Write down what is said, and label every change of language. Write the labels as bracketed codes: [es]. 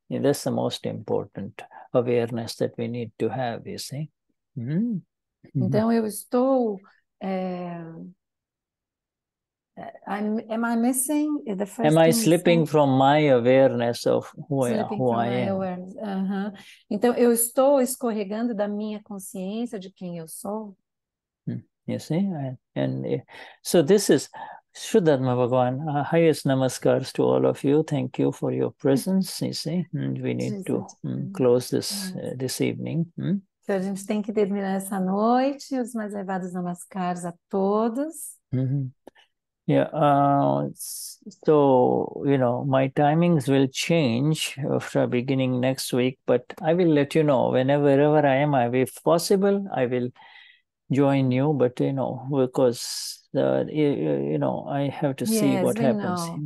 [en] Yeah, that's the most important awareness that we need to have, you see? [pt] Então eu estou [en] am I missing the first am I slipping from my awareness of who I am [pt] Então eu estou escorregando da minha consciência de quem eu sou. [en] You see, so this is Shuddhatma Bhagwan, highest namaskars to all of you. Thank you for your presence. You see, we need to close this this evening. [pt] Então, a gente tem que terminar essa noite. Os mais elevados namaskars a todos. [en] So, you know, my timings will change from beginning next week, but I will let you know wherever I am. If possible, I will join you, but, you know, because, you know, I have to see what happens.